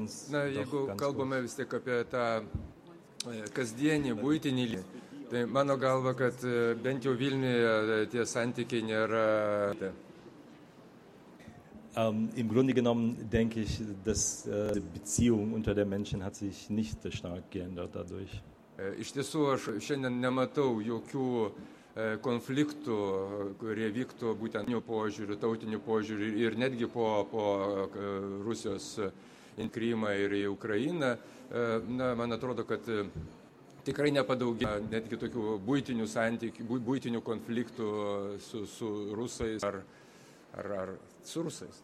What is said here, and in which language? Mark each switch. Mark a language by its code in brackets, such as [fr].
[lt] Na, jeigu kalbame vis tiek apie tą kasdienį, būtinį, tai mano galva, kad bent jau Vilniuje tie santykiai nėra. [de] Im Grunde genommen denke ich, dass die Beziehung unter den Menschen hat sich nicht stark geändert dadurch. [lt] Iš tiesų, aš šiandien nematau jokių konfliktų, kurie vyktų būtent požiūrių, tautinių požiūrių ir netgi po Rusijos į Krymą ir į Ukrainą. Na, man atrodo, kad tikrai nepadaugė netgi tokių būtinių santykių, būtinių konfliktų su Rusais ar su Rusais.